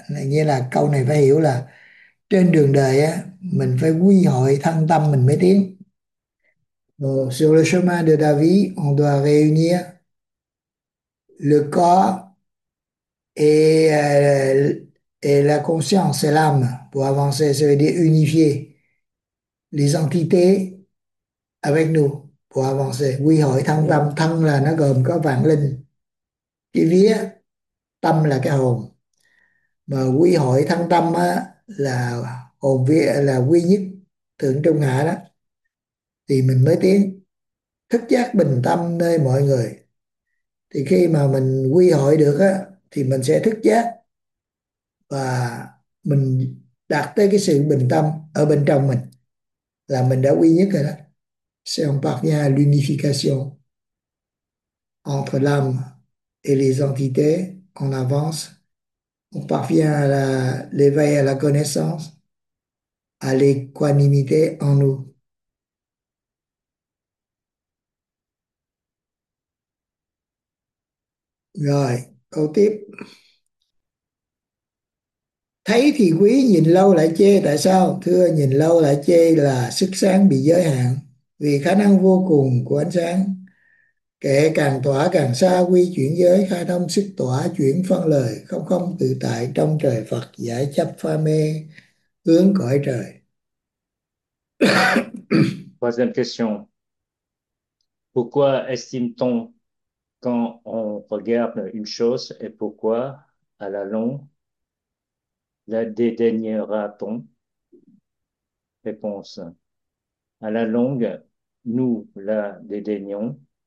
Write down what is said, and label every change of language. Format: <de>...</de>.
<vi>Nghĩa là câu này phải hiểu là trên đường đời á, mình phải quy hội thân tâm mình mới tiến.</vi> <fr>Sur le chemin de la vie, on doit réunir le corps et la conscience et l'âme pour avancer, ça veut dire unifier les entités avec nous pour avancer.</fr> <vi>Quy hội thân tâm, thân là nó gồm có vạn linh, cái vía, tâm là cái hồn, mà quy hội thân tâm á, là hồn vía, là quy nhất thượng trung hạ đó, thì mình mới tiến thức giác bình tâm nơi mọi người. Thì khi mà mình quy hội được á, thì mình sẽ thức giác và mình đạt tới cái sự bình tâm ở bên trong mình, là mình đã quy nhất rồi đó.</vi> <fr>C'est on parvient à l'unification entre l'âme et les entités. On avance, on parvient à l'éveil, à la connaissance, à l'équanimité en nous.</fr> <vi>Rồi. Câu tiếp. Thấy thì quý, nhìn lâu lại chê. Tại sao? Thưa, nhìn lâu lại chê là sức sáng bị giới hạn. Vì khả năng vô cùng của ánh sáng, kẻ càng tỏa càng xa quy chuyển giới, khai thông sức tỏa chuyển phân lời, không không tự tại trong trời Phật, giải chấp pha mê hướng cõi trời.</vi> <fr>Troisième question. Pourquoi estime-t-on quand on regarde une chose et pourquoi à la longue la dédaignera-t-on? Réponse. À la longue, nous la dédaignons.</fr>